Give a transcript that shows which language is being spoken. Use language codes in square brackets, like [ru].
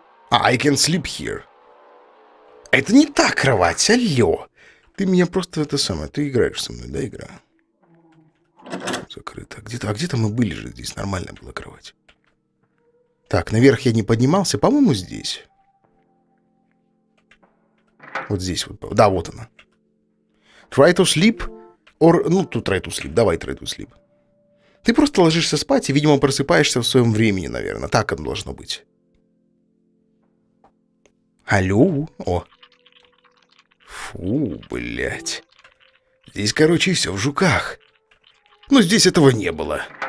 [en] I can sleep here. [ru] Это не та кровать, алло. Ты меня просто это самое, ты играешь со мной, да, игра? Закрыто. Где-то, а где-то мы были же здесь, нормально была кровать. Так, наверх я не поднимался, по-моему, здесь. Вот здесь вот, да, вот она. [en] Try to sleep, or, [ru] ну, тут [en] try to sleep, давай try to sleep. [ru] Ты просто ложишься спать и, видимо, просыпаешься в своем времени, наверное, так оно должно быть. Алло, о. Фу, блядь. Здесь, короче, все в жуках. Но здесь этого не было.